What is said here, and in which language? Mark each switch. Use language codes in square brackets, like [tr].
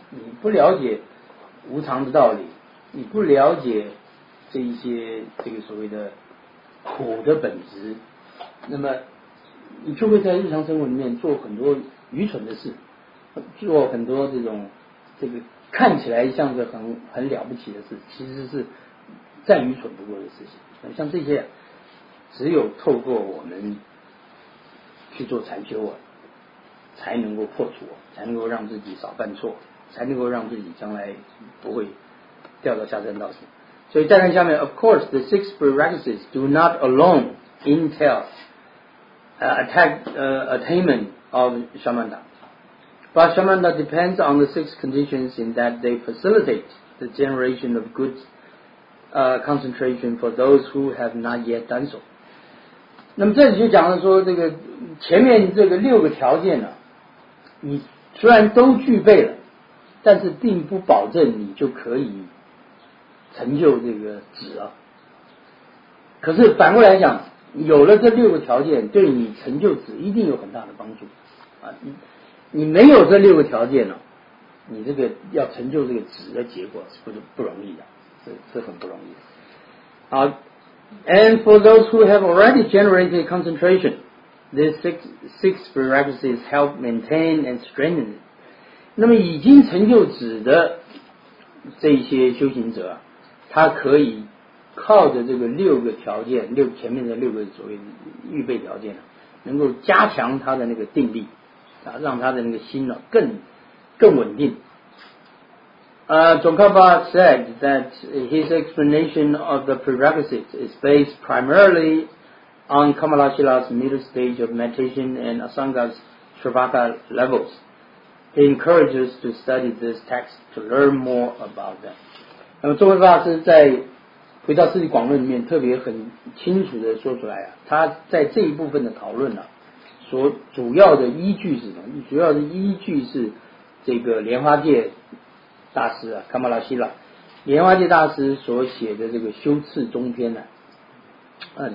[zh] 你不了解无常的道理，你不了解这一些这个所谓的苦的本质，那么你就会在日常生活里面做很多愚蠢的事，做很多这种这个看起来像是很了不起的事，其实是再愚蠢不过的事情。像这些只有透过我们去做禅修啊，才能够破除，才能够让自己少犯错，才能够让自己将来不会掉到下三道去。所以再看下面， [en] Of course the six prerequisites do not alone entail attainment of shamatha, but shamatha depends on the six conditions in that they facilitate the generation of good concentration for those who have not yet done so。 [zh] 那么这里就讲了说，这个前面这个六个条件呢，你虽然都具备了，但是并不保证你就可以成就这个止啊。可是反过来讲，有了这六个条件，对你成就止一定有很大的帮助啊。你没有这六个条件呢、啊，你这个要成就这个止的结果是不容易的，是很不容易的。 [en] 好 ，and for those who have already generated concentration, these six prerequisites help maintain and strengthen it。 [zh] 那么已经成就止的这些修行者，他可以靠着这个六个条件，前面的六个所谓预备条件，能够加强他的那个定力啊，让他的那个心呢更稳定。 [en] Tsongkhapa said that his explanation of the prerequisites is based primarily on Kamalashila's middle stage of meditation and Asanga's Shravaka levels. He encourages to study this text to learn more about them。 [zh] 那么周慧法师在回到四谛广论里面特别很清楚的说出来啊，他在这一部分的讨论呢、啊，所主要的依据是什么？主要的依据是这个莲花界大师啊，卡玛拉希拉，莲花界大师所写的这个修次中篇呢、啊。